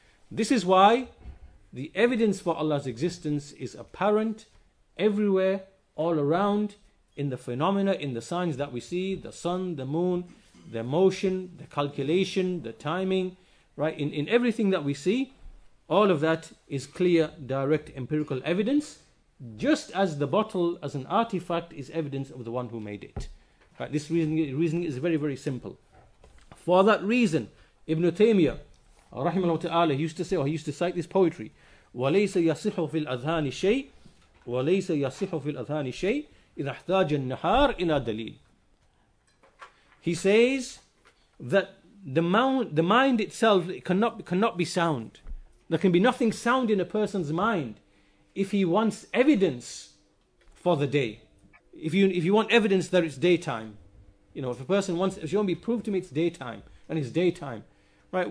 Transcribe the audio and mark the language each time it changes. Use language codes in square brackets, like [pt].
[en] This is why the evidence for Allah's existence is apparent everywhere, all around, in the phenomena, in the signs that we see, the sun, the moon, their motion, the calculation, the timing, right? In everything that we see, all of that is clear, direct, empirical evidence, just as the bottle, as an artifact, is evidence of the one who made it. Right? This reasoning is very, very simple. For that reason, Ibn Taymiyyah, رحمه الله تعالى, used to say, or he used to cite this poetry, [ar] وليس يصح في الأذهان شيء, وليس يصح في الأذهان شيء إذا احتاج النهار إلى دليل. [en] He says that the mind itself, it cannot be sound. There can be nothing sound in a person's mind if he wants evidence for the day. If you want evidence that it's daytime, you know, if a person wants, if you want to be proved to me it's daytime and it's daytime, right?